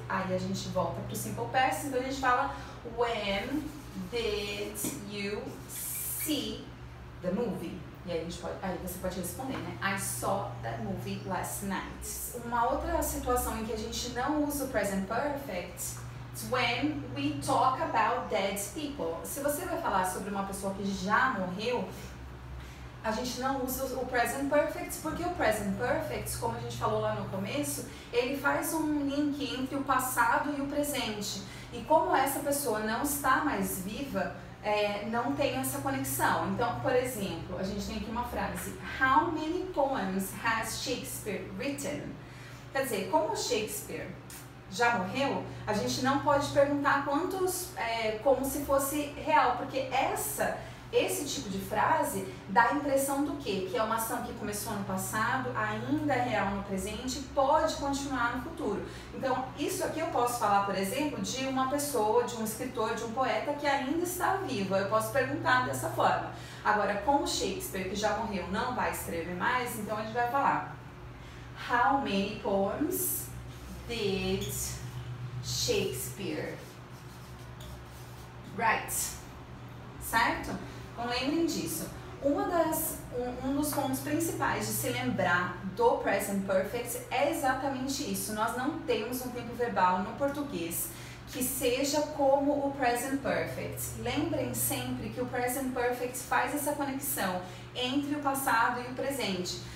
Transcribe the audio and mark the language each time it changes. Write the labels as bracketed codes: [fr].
[pt] Aí a gente volta para o simple past, então a gente fala, [en] when did you see the movie? [pt] E aí, aí você pode responder, né? [en] I saw that movie last night. [pt] Uma outra situação em que a gente não usa o present perfect [en] is when we talk about dead people. [pt] Se você vai falar sobre uma pessoa que já morreu, a gente não usa o present perfect, porque o present perfect, como a gente falou lá no começo, ele faz um link entre o passado e o presente. E como essa pessoa não está mais viva, não tem essa conexão. Então, por exemplo, a gente tem aqui uma frase. [en] How many poems has Shakespeare written? [pt] Quer dizer, como Shakespeare já morreu, a gente não pode perguntar quantos, como se fosse real, porque esse tipo de frase dá a impressão do quê? Que é uma ação que começou no passado, ainda é real no presente, pode continuar no futuro. Então, isso aqui eu posso falar, por exemplo, de uma pessoa, de um escritor, de um poeta que ainda está vivo. Eu posso perguntar dessa forma. Agora, com o Shakespeare, que já morreu, não vai escrever mais, então a gente vai falar. [en] How many poems did Shakespeare write? [pt] Certo? Então, lembrem disso. Um dos pontos principais de se lembrar do present perfect é exatamente isso. Nós não temos um tempo verbal no português que seja como o present perfect. Lembrem sempre que o present perfect faz essa conexão entre o passado e o presente.